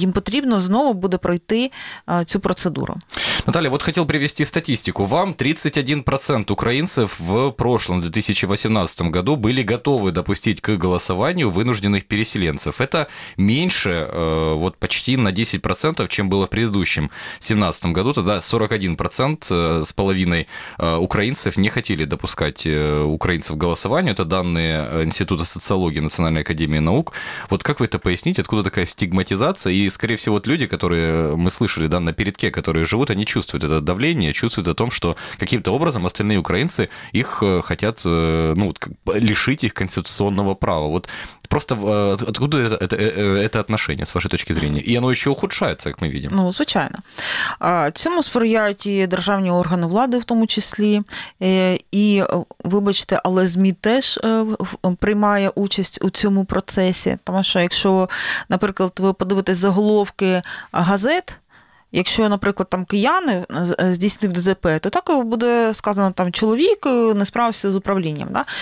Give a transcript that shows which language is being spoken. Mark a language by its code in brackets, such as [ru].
[uk] Їм потрібно знову буде пройти цю процедуру. [ru] Наталя, вот хотел привести статистику. Вам 31% украинцев в прошлом, 2018 году, были готовы допустить к голосованию вынужденных переселенцев. Это меньше, вот почти на 10%, чем было в предыдущем, 2017 году. Тогда 41% с половиной украинцев не хотели допускать украинцев к голосованию. Это данные Института социологии Национальной академии наук. Вот как вы это поясните? Откуда такая стигматизация? И, скорее всего, вот люди, которые мы слышали, да, на передке, которые живут, они чувствуют это давление, чувствуют о том, что каким-то образом остальные украинцы их хотят, ну, лишить их конституционного права. Вот просто откуда это отношение, с вашей точки зрения? И оно еще ухудшается, как мы видим. [uk] Ну, звичайно. Цьому сприяють і державні органи влади, в тому числі. І, вибачте, але ЗМІ теж приймає участь у цьому процесі. Тому що, якщо, наприклад, ви подивитесь заголовки газет, якщо, наприклад, там кияни здійснив ДТП, то так буде сказано, там чоловік не справився з управлінням. Да?